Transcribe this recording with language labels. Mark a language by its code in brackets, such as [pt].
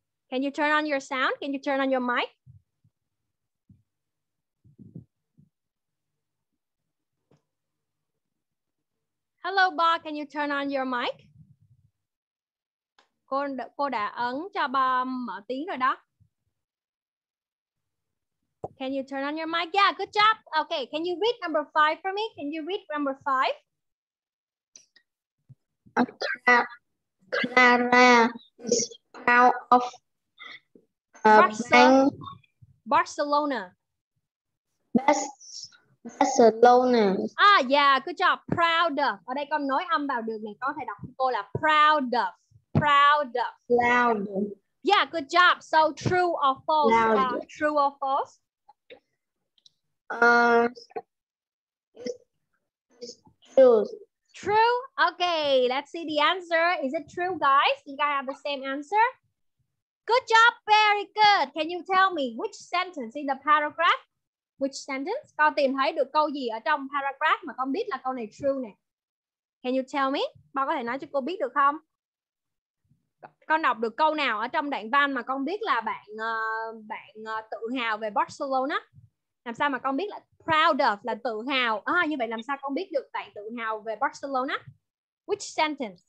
[en] Can you turn on your sound? Can you turn on your mic? Hello Ba, can you turn on your mic? [vi] Cô đã ấn cho Ba mở tiếng rồi đó. [en] Can you turn on your mic? Yeah, good job. Okay, can you read number 5 for me? Can you read number 5? Clara is proud of Barcelona. Barcelona. Ah, yeah, good job. Proud of. [vi] Ở đây con nói âm vào được này, con có thể đọc cho cô là proud of. [en] Proud of. Loud. Yeah, good job. So true or false? Loud. True or false? True. Okay, let's see the answer. Is it true, guys? You guys have the same answer? Good job, very good. Can you tell me which sentence in the paragraph? Which sentence? [vi] Con tìm thấy được câu gì ở trong paragraph mà con biết là câu này true nè. [en] Can you tell me? [vi] Ba có thể nói cho cô biết được không? Con đọc được câu nào ở trong đoạn văn mà con biết là bạn tự hào về Barcelona? Làm sao mà con biết là proud of là tự hào? Như vậy làm sao con biết được bạn tự hào về Barcelona? [en] Which sentence?